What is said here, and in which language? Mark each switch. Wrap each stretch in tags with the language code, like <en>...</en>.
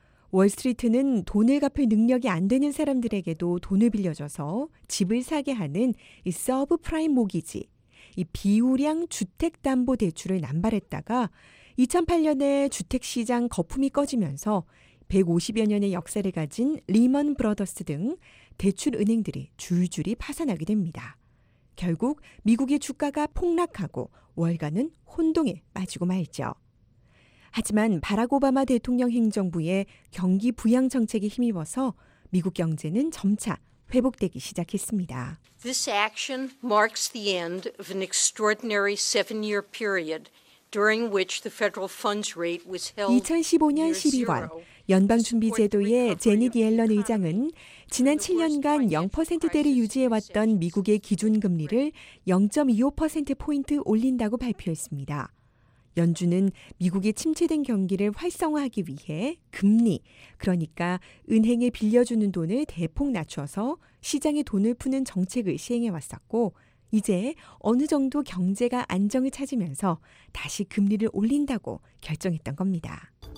<ko>월스트리트는 돈을 갚을 능력이 안 되는 사람들에게도 돈을 빌려줘서 집을 사게 하는 서브프라임 모기지, 이 비우량 주택담보대출을 남발했다가 2008년에 주택시장 거품이 꺼지면서 150여 년의 역사를 가진 리먼 브러더스 등 대출은행들이 줄줄이 파산하게 됩니다. 결국 미국의 주가가 폭락하고 월가는 혼동에 빠지고 말죠. 하지만 바락 오바마 대통령 행정부의 경기 부양 정책에 힘입어서 미국 경제는 점차 회복되기 시작했습니다.</ko> <en>This action marks the end of an extraordinary seven-year period during which the federal funds rate was held near zero.</en> <ko>2015년 12월 연방준비제도의 제닛 옐런 의장은 지난 7년간 0%대를 유지해왔던 미국의 기준금리를 0.25%포인트 올린다고 발표했습니다. 연준은 미국의 침체된 경기를 활성화하기 위해 금리, 그러니까 은행에 빌려주는 돈을 대폭 낮춰서 시장에 돈을 푸는 정책을 시행해왔었고, 이제 어느 정도 경제가 안정을 찾으면서 다시 금리를 올린다고 결정했던 겁니다.</ko>